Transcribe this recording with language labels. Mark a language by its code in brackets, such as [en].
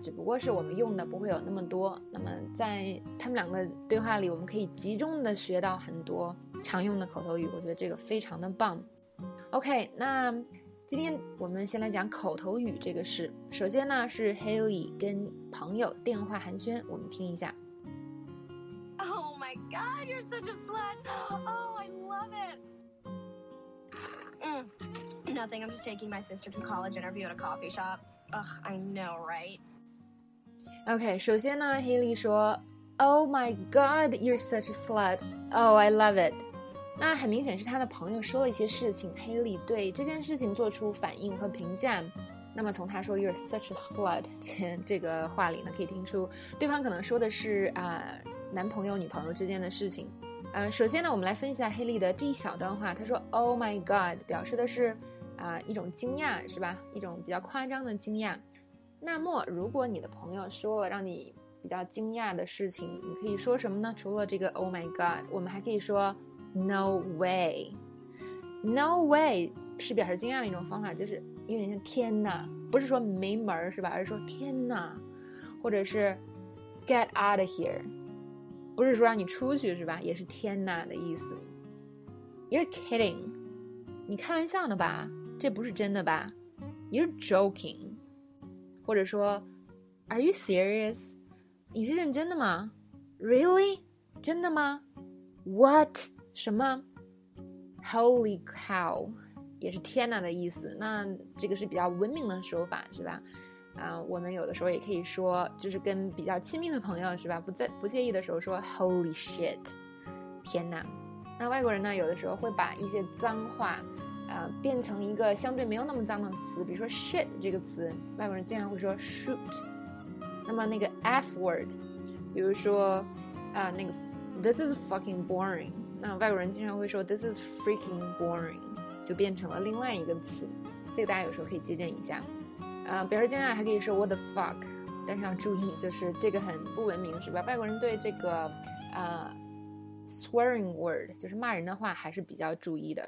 [zh] 只不过是我们用的不会有那么多。那么在他们两个对话里，我们可以集中的学到很多常用的口头语，我觉得这个非常的棒。 OK， 那今天我们先来讲口头语这个事。首先呢，是 Haley 跟朋友电话寒暄，我们听一下。 [en] Oh my God, you're such a slut! Oh, I love it. Nothing. I'm just taking my sister to a college interview at a coffee shop. Ugh, I know, right? [zh] OK， 首先呢 ，Haley 说 ， [en] Oh my God, you're such a slut. Oh, I love it. [zh] 那很明显是他的朋友说了一些事情， Haley 对这件事情做出反应和评价。那么从他说 [en] You're such a slut [zh] 这个话里呢，可以听出对方可能说的是男朋友女朋友之间的事情。首先呢，我们来分析一下 Haley 的这一小段话。他说 [en] Oh my god [zh] 表示的是一种惊讶，是吧？一种比较夸张的惊讶。那么如果你的朋友说了让你比较惊讶的事情，你可以说什么呢？除了这个 Oh my god， 我们还可以说 [en] No way, no way [zh] 是表示惊讶的一种方法，就是有点像天哪，不是说没门是吧？而是说天哪，或者是 [en] get out of here， [zh] 不是说让你出去是吧？也是天哪的意思。 [en] You're kidding， [zh] 你开玩笑呢吧？这不是真的吧 ？ [en] You're joking， [zh] 或者说 [en] Are you serious？ [zh] 你是认真的吗 ？ [en] Really？ [zh] 真的吗 ？ [en] What？ [zh] 什么 ？ [en] Holy cow， [zh] 也是天哪的意思。那这个是比较文明的说法，是吧？我们有的时候也可以说，就是跟比较亲密的朋友，是吧？不介意的时候说 [en] Holy shit， [zh] 天哪。那外国人呢，有的时候会把一些脏话，变成一个相对没有那么脏的词，比如说 shit 这个词，外国人经常会说 shoot。那么那个 F word， 比如说，那个 [en] This is fucking boring。 [zh] 那外国人经常会说 [en] This is freaking boring， [zh] 就变成了另外一个词，这个大家有时候可以借鉴一下。表示惊讶还可以说 [en] What the fuck， [zh] 但是要注意，就是这个很不文明，是吧？外国人对这个swearing word， 就是骂人的话，还是比较注意的。